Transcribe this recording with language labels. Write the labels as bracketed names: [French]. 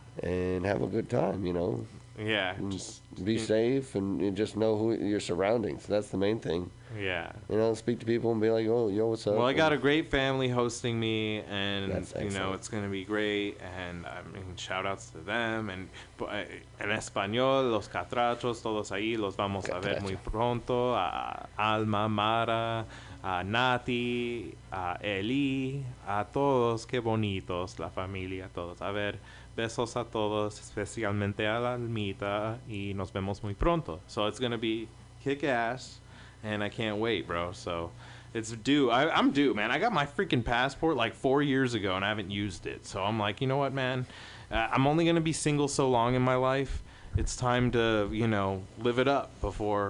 [English] And have a good time, you know. Yeah. And be safe, and you just know who your surroundings. That's the main thing. Yeah. You know, speak to people and be like, oh, yo, what's up? Well, I got a great family hosting me, and, you know, it's going to be great. And I mean, shout outs to them. [Spanish] And en español, los catrachos, todos ahí, los vamos a ver muy pronto. A Alma, Mara, a Nati, a Eli, a todos, qué bonitos, la familia, todos. A ver, besos a todos, especialmente a la Almita, y nos vemos muy pronto. [English] So it's going to be kick ass. And I can't wait, bro. So, it's due. I'm due, man. I got my freaking passport like 4 years ago, and I haven't used it. So, I'm like, you know what, man? I'm only going to be single so long in my life. It's time to, you know, live it up before.